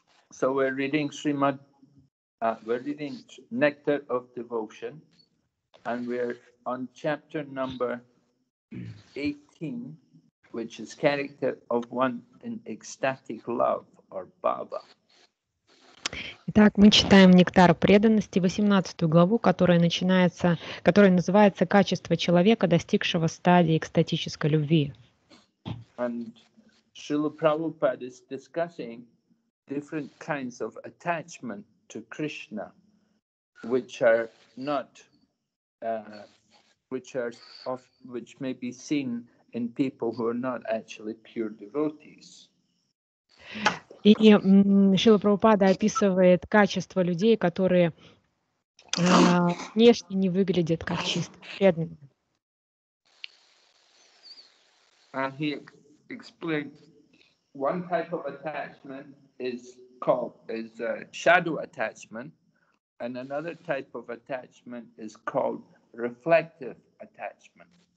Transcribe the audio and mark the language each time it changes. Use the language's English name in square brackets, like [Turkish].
[English] So we're reading Srimad we're reading Nectar of Devotion, and we're on chapter number 18, which is Character of One in Ecstatic Love, or Bhava. [Russian] Итак, мы читаем Нектар преданности, 18 главу, которая начинается, которая называется «Качество человека, достигшего стадии экстатической любви». [English] And Srila Prabhupada is discussing different kinds of attachment to Krishna, which are not, which are of, which may be seen in people who are not actually pure devotees. [Russian] И Шрила Прабхупада описывает качество людей, которые внешне не выглядят как чисто преданные. [English] And he explained one type of attachment is called shadow attachment, and another type of attachment is called reflective attachment.